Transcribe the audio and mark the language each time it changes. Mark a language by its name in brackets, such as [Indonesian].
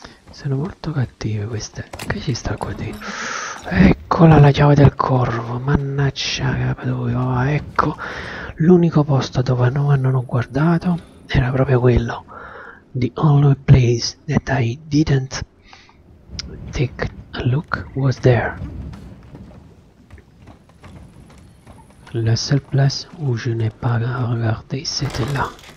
[Italian] Sono molto cattive queste. Che ci sta qua dentro? Eccola la chiave del corvo. Mannaggia, dove va? Ecco, l'unico posto dove non hanno guardato era proprio quello. [English] The only place that I didn't take a look was there. [French] La seule place où je n'ai pas regardé, c'était là.